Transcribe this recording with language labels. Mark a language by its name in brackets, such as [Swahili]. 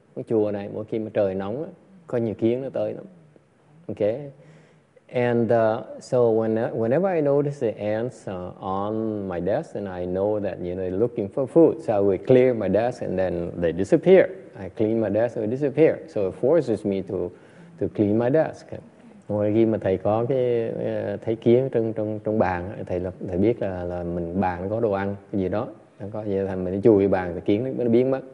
[Vietnamese] Cái chùa này mỗi khi mà trời nóng, có nhiều kiến nó tới lắm. [English] Okay, and so whenever I notice the ants on my desk, and I know that they're looking for food, so I will clear my desk, and then they disappear. I clean my desk, and they disappear. So it forces me to clean my desk. [Vietnamese] Ngoài khi mà thầy có cái thấy kiến trong trong trong bàn thầy biết là mình bàn có đồ ăn cái gì đó không có gì thành mình chùi bàn thì kiến nó biến mất.